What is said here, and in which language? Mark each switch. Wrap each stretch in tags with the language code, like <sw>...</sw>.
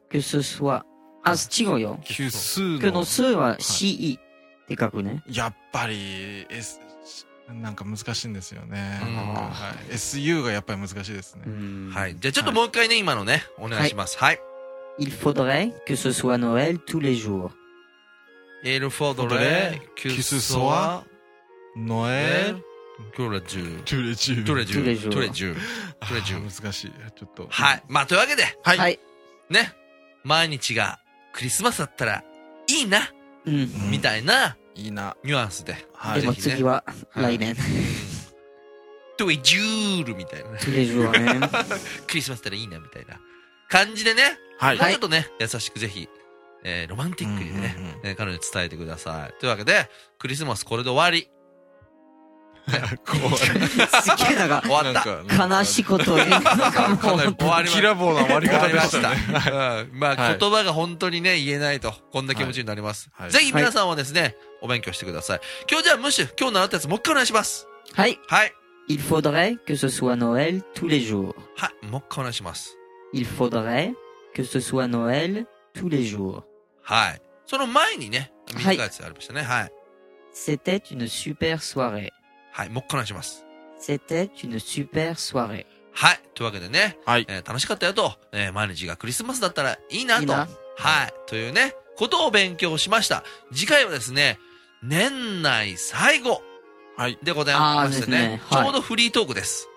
<ja>キュススはあ、違うよキュスのキュのスは C、はい、って書くねやっぱり、S、なんか難しいんですよねあ、はい、SU がやっぱり難しいですねはいじゃあちょっともう一回ね、はい、今のねお願いしますはい、はい、</ja> <fr>Il faudrait que ce soit Noël tous les jours Il faudrait que ce soit ノエル、トゥレジュー。 トゥレジュー。トゥレジュー。トゥレジュー。</fr> <ja>トゥレジュー。難しい。ちょっと。はい。まあ、というわけで。はい。ね。毎日がクリスマスだったらいいな。うん。みたいな。いいな。ニュアンスで。はい。でも次は、来年。トゥレジュールみたいな。トゥレジュールね。クリスマスだったらいいな、みたいな。感じでね。はい。ちょっとね、優しくぜひ。ロマンティックにね、彼女に伝えてください。というわけで、クリスマスこれで終わり。すげえなんか終わった悲しいことを言うのかもキラボーな終わり方でしたね、はい、まあ言葉が本当にね言えないとこんな気持ちになります、はいはい、ぜひ皆さんはですね、はい、お勉強してください今日じゃあムッシュ今日習ったやつもう一回お願いしますはいはい</ja> <fr>Il faudrait que ce soit Noël tous les jours</fr> <ja>はいもう一回お願いします</ja> <fr>Il faudrait que ce soit Noël tous les jours</fr> <ja>はいその前にね短いやつありましたねはい、はい、</ja> <fr>C'était une super soirée</fr> <ja>はい、もう一回お願いします。</ja> <fr>C'était une super soirée。</fr> <ja>はい、というわけでね、はい楽しかったよと、毎日がクリスマスだったらいいなと、はい、というね、ことを勉強しました。次回はですね、年内最後、はい、でございましてね、ですね、はい、ちょうどフリートークです。</ja>